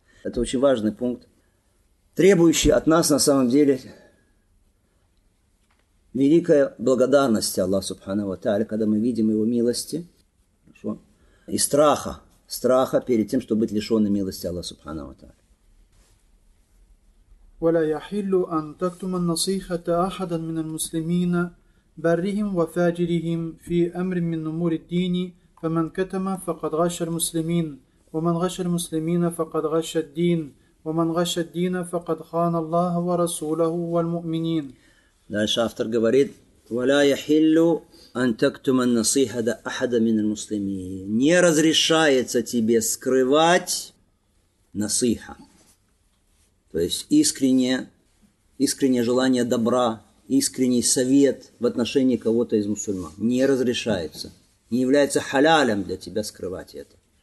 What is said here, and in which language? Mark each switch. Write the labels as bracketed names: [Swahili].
[Russian] Это очень важный пункт, требующий от нас на самом деле великая благодарность Аллаху Субхану ва Тааля, когда мы видим его милости, хорошо, и страха перед тем, чтобы быть лишенным милости Аллаху Субхану ва Тааля. [Arabic] ولا يحل ان تكتم النصيحه احدا من المسلمين برهم وفاجرهم في امر من امور الدين فمن كتم فقد غش المسلمين ومن غش المسلمين فقد غش الدين ومن غش الدين فقد خان الله ورسوله والمؤمنين. [Russian] Дальше автор говорит: [Arabic] ولا يحل ان تكتم النصيحه احدا من المسلمين. [Russian] Не разрешается тебе скрывать насиха. То есть искреннее желание добра, искренний совет в отношении кого-то из мусульман не разрешается, не является халялем для тебя скрывать это.